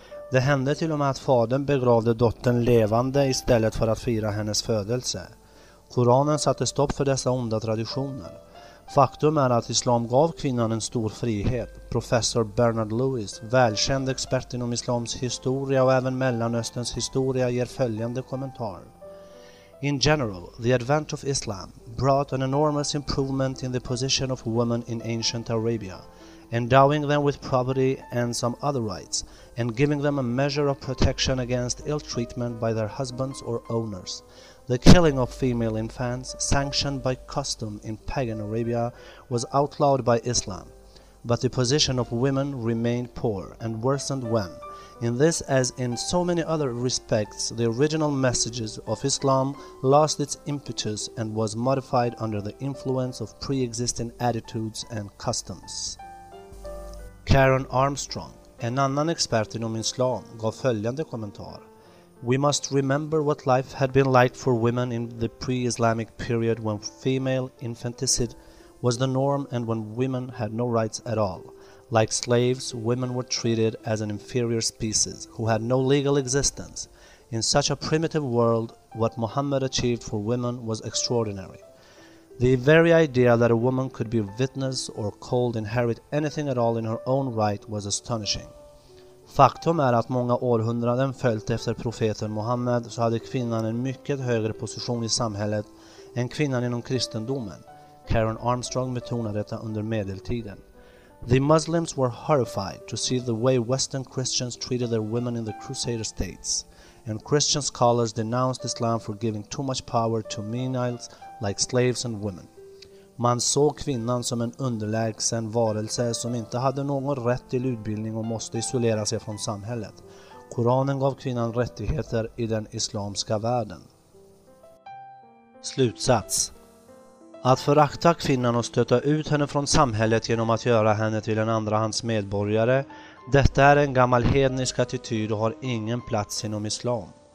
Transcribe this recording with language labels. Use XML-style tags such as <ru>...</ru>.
<sv>Det hände till och med att fadern begravde dottern levande istället för att fira hennes födelse. Koranen satte stopp för dessa onda traditioner. Faktum är att islam gav kvinnan en stor frihet. Professor Bernard Lewis, välkänd expert inom islams historia och även Mellanösterns historia, ger följande kommentar.</sv> <en>In general, the advent of Islam brought an enormous improvement in the position of women in ancient Arabia, endowing them with property and some other rights, and giving them a measure of protection against ill treatment by their husbands or owners. The killing of female infants, sanctioned by custom in pagan Arabia, was outlawed by Islam, but the position of women remained poor and worsened when, in this as in so many other respects, the original messages of Islam lost its impetus and was modified under the influence of pre-existing attitudes and customs.</en> <sv>Karen Armstrong, en annan expert inom islam, gav följande kommentar.</sv> <en>We must remember what life had been like for women in the pre-Islamic period when female infanticide was the norm and when women had no rights at all. Like slaves, women were treated as an inferior species who had no legal existence. In such a primitive world, what Muhammad achieved for women was extraordinary. The very idea that a woman could be witness or called inherit anything at all in her own right was astonishing.</en> <sv>Faktum är att många århundraden följt efter profeten Muhammad så hade kvinnan en mycket högre position i samhället än kvinnan inom kristendomen. Karen Armstrong betonade detta under medeltiden.</sv> <en>The Muslims were horrified to see the way Western Christians treated their women in the Crusader states, and Christian scholars denounced Islam for giving too much power to menials like slaves and women.</en> <sv>Man såg kvinnan som en underlägsen varelse som inte hade någon rätt till utbildning och måste isolera sig från samhället. Koranen gav kvinnan rättigheter i den islamska världen. Slutsats. Att förakta kvinnan och stöta ut henne från samhället genom att göra henne till en andrahands medborgare, detta är en gammal hednisk attityd och har ingen plats inom islam.</sv>